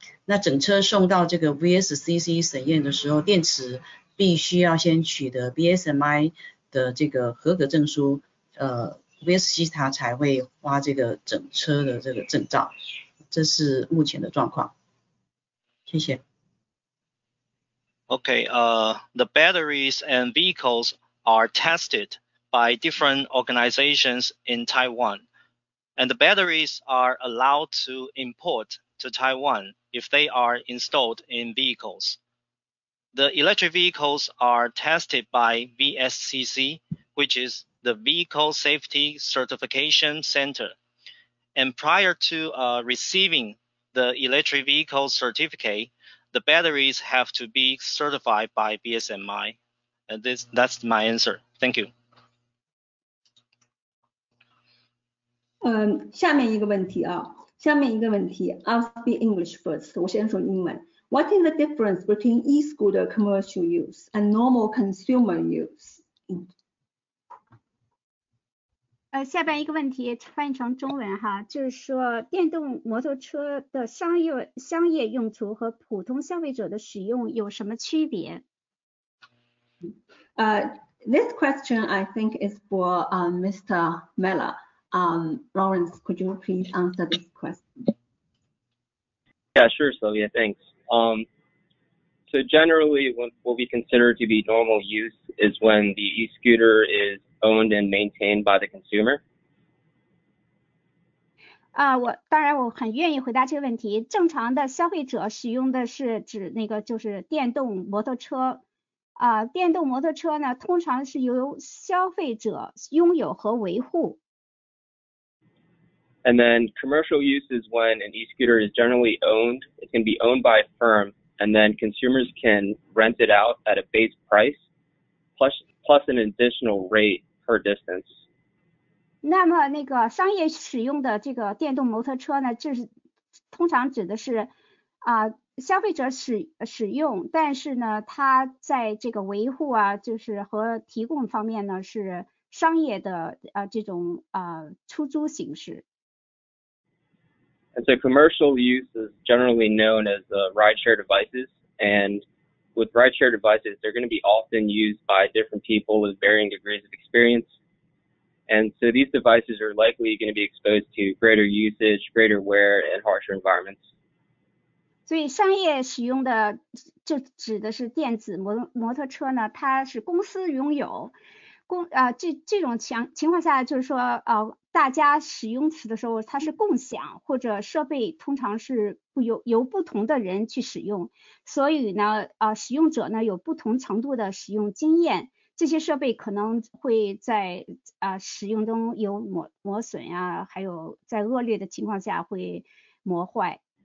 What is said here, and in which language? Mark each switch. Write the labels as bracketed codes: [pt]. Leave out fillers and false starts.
[zh] 那整车送到这个 VSCC 审验的时候，电池必须要先取得 BSMI 的这个合格证书。 VSC 它才会发这个整车的这个证照，这是目前的状况。谢谢。 [en] Okay, the batteries and vehicles are tested by different organizations in Taiwan, and the batteries are allowed to import to Taiwan if they are installed in vehicles. The electric vehicles are tested by VSCC, which is the Vehicle Safety Certification Center. And prior to receiving the electric vehicle certificate, the batteries have to be certified by BSMI. And that's my answer. Thank you. [zh] 下面一个问题啊，下面一个问题 ， [en] I'll speak English first， [zh] 我先说英文。 [en] What is the difference between e-scooter commercial use and normal consumer use？ [zh] 下边一个问题翻译成中文哈，就是说电动摩托车的商业用途和普通消费者的使用有什么区别？ [en] This question I think is for Mr. Mella. Lawrence, could you please answer this question? Yeah, sure, Sylvia. Thanks. So generally, what we consider to be normal use is when the e-scooter is owned and maintained by the consumer. [zh] 我当然我很愿意回答这个问题。正常的消费者使用的是指那个就是电动摩托车。电动摩托车呢，通常是由消费者拥有和维护。 [en] And then commercial use is when an e-scooter is generally owned. It can be owned by a firm, and then consumers can rent it out at a base price plus an additional rate per distance. [zh] 那么那个商业使用的这个电动摩托车呢，就是通常指的是消费者使用，但是呢，它在这个维护啊，就是和提供方面呢，是商业的这种出租形式。 [en] And so commercial use is generally known as rideshare devices. And with rideshare devices, they're going to be often used by different people with varying degrees of experience. And so these devices are likely going to be exposed to greater usage, greater wear, and harsher environments. [zh] 所以商业使用的就指的是电子摩托车呢，它是公司拥有。这种情况下就是说大家使用时的时候它是共享，或者设备通常是由不同的人去使用，所以呢使用者呢有不同程度的使用经验，这些设备可能会在使用中有磨损啊，还有在恶劣的情况下会磨坏。